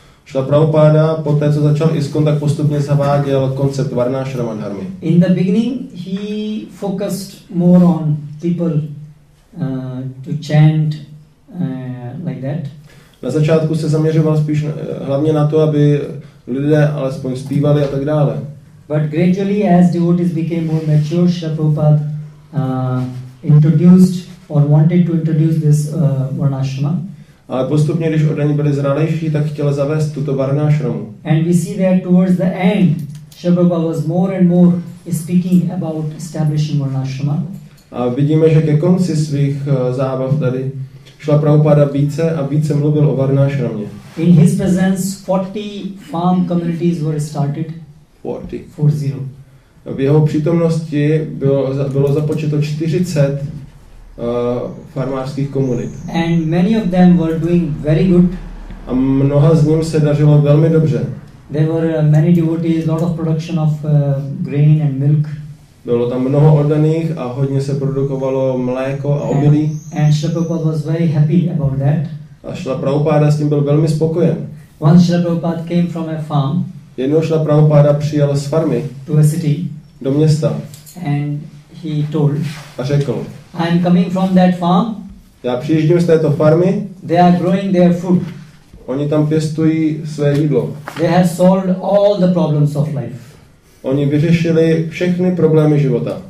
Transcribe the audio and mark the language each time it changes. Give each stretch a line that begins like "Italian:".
Czech: Srila Prabhupada poté, co začal ISKCON, tak postupně zaváděl koncept Varnashrama dharmy.
English: In the beginning he focused more on people to chant like that.
Czech: Na začátku se zaměřoval spíš hlavně na to, aby lidé alespoň zpívali a tak dále.
English: But gradually as devotees became more mature, Srila Prabhupada introduced or wanted to introduce this Varnashrama.
Czech: Ale postupně, když oddaní byli zralejší, tak chtěl zavést tuto Varnashramu.
English: And we see that towards the end, Srila Prabhupada was more and more speaking about establishing Varnashrama.
Czech: A vidíme, že ke konci svých zábav tady Srila Prabhupada více a více mluvil o Varnashramě.
English: In his presence 40 farm communities were started. 40.
Czech: V jeho přítomnosti bylo započeto 40 farmářských komunit.
English: And many of them were doing very good.
Czech: A mnoha z nich se dařilo velmi dobře.
English: There were many devotees, lot of production of grain and milk.
Czech: Bylo tam mnoho oddaných a hodně se produkovalo mléko a obilí.
English: And Srila Prabhupada was very happy about that.
Czech: A Srila Prabhupada s tím byl velmi spokojen.
English: Once Srila Prabhupada came from a farm.
Czech: Jednou Srila Prabhupada přijel z farmy.
English: To a city.
Czech: Do města.
English: And he told.
Czech: A řekl.
English: I am coming from that farm.
Czech: Já přijíždím z této farmy.
English: They are growing their food.
Czech: Oni tam pěstují své jídlo.
English: They have solved all the problems of life.
Czech: Oni vyřešili všechny problémy života.